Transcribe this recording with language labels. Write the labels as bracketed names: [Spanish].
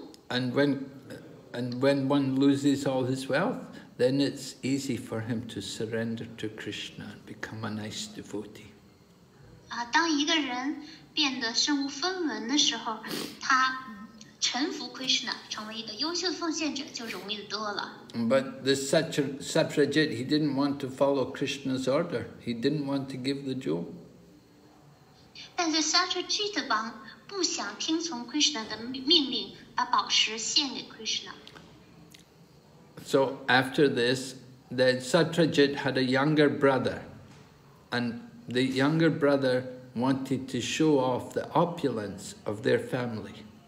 [English] And when one loses all his wealth, then it's easy for him to surrender to Krishna and become a nice devotee. [Chinese] 当一个人变得身无分文的时候，他臣服 Krishna，成为一个优秀奉献者，就容易多了。 [English] But this suffragette, he didn't want to follow Krishna's order. He didn't want to give the jewel. [Chinese] 但是Suffragette王不想听从Krishna的命令，把宝石献给Krishna。 [English] So after this, the Suffragette had a younger brother, and the younger brother wanted to show off the opulence of their family.